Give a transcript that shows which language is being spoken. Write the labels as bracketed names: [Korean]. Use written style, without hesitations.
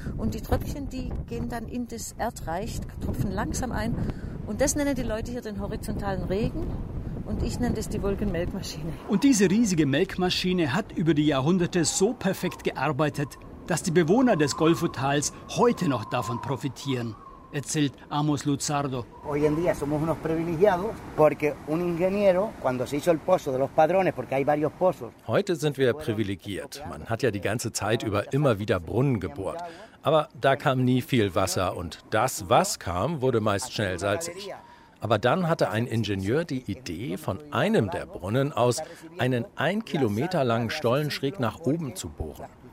[German] Und die Tröpfchen, die gehen dann in das Erdreich, tropfen langsam ein. Und das nennen die Leute hier den horizontalen Regen. Und ich nenne das die Wolkenmelkmaschine. Und diese riesige Melkmaschine hat über die Jahrhunderte so perfekt gearbeitet, dass die Bewohner des Golfo-Tals heute noch davon profitieren, erzählt Amos Luzardo. [Spanish] Hoy en día somos unos privilegiados porque un ingeniero cuando se hizo el pozo de los Padrones, porque hay varios pozos. [German] Heute sind wir privilegiert. Man hat ja die ganze Zeit über immer wieder Brunnen gebohrt. Aber da kam nie viel Wasser und das, was kam, wurde meist schnell salzig. Aber dann hatte ein Ingenieur die Idee, von einem der Brunnen aus einen 1 Kilometer langen Stollen schräg nach oben zu bohren.